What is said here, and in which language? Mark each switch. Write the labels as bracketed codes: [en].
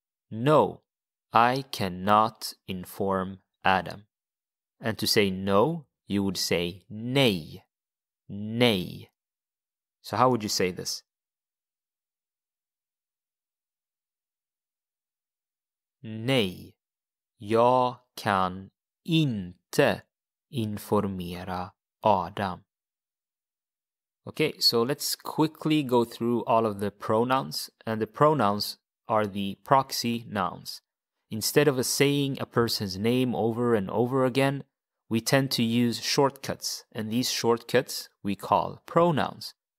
[en] No, I cannot inform Adam. And to say no, you would say [sv] nej, nej. [en] So how would you say this? [sv] Nej, jag kan inte informera Adam. [en] Okay, so let's quickly go through all of the pronouns. And the pronouns are the proxy nouns. Instead of saying a person's name over and over again, we tend to use shortcuts, and these shortcuts we call pronouns.